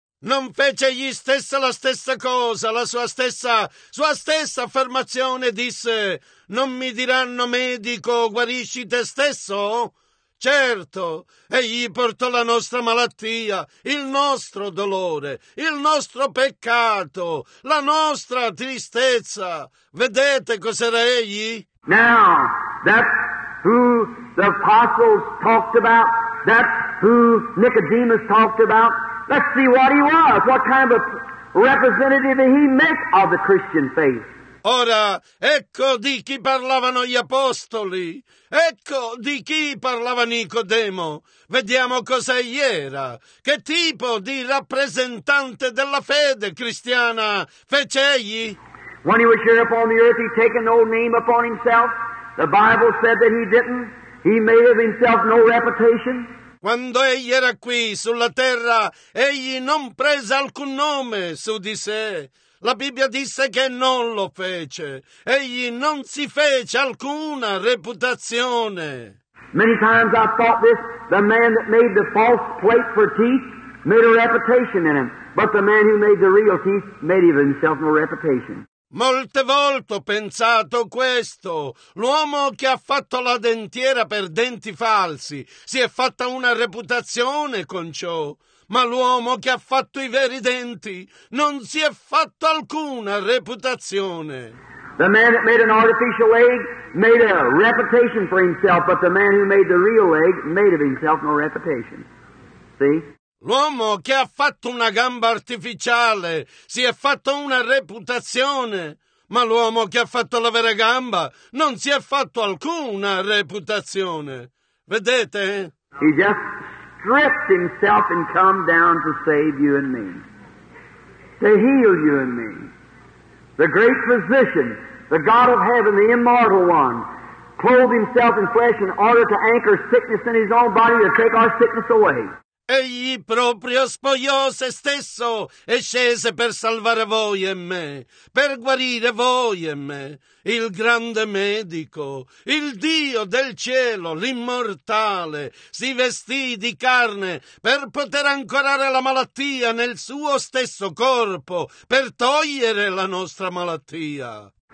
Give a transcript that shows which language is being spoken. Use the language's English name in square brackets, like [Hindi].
[Italian] Non fece egli stesso la stessa cosa, la sua stessa affermazione, disse, non mi diranno medico, guarisci te stesso? Certo, egli portò la nostra malattia, il nostro dolore, il nostro peccato, la nostra tristezza. Vedete cos'era egli? [English] Now, that's who the apostles talked about, that's who Nicodemus talked about. Let's see what he was, what kind of representative he makes of the Christian faith. [Italian] Ora, ecco di chi parlavano gli apostoli. Ecco di chi parlava Nicodemo. Vediamo cosa egli era. Che tipo di rappresentante della fede cristiana fece egli? [English] When he was here upon the earth, he taken no name upon himself. The Bible said that he didn't. He made of himself no reputation. [Italian] Quando egli era qui sulla terra, egli non prese alcun nome su di sé. La Bibbia disse che non lo fece. Egli non si fece alcuna reputazione. [English] Many times I thought this, the man that made the false plate for teeth made a reputation in him. But the man who made the real teeth made of himself no reputation. [Italian] Molte volte ho pensato questo. L'uomo che ha fatto la dentiera per denti falsi si è fatta una reputazione con ciò. Ma l'uomo che ha fatto i veri denti non si è fatto alcuna reputazione. [English] The man that made an artificial leg made a reputation for himself, but the man who made the real leg made of himself no reputation. See? [Italian] L'uomo che ha fatto una gamba artificiale si è fatto una reputazione, ma l'uomo che ha fatto la vera gamba non si è fatto alcuna reputazione. Vedete? [English] He just stripped himself and come down to save you and me, to heal you and me. The great physician, the God of heaven, the immortal one, clothed himself in flesh in order to anchor sickness in his own body to take our sickness away. [Italian] Egli proprio spogliò se stesso e scese per salvare voi e me, per guarire voi e me, il grande medico, il Dio del cielo, l'immortale, si vestì di carne per poter ancorare la malattia nel suo stesso corpo, per togliere la nostra malattia.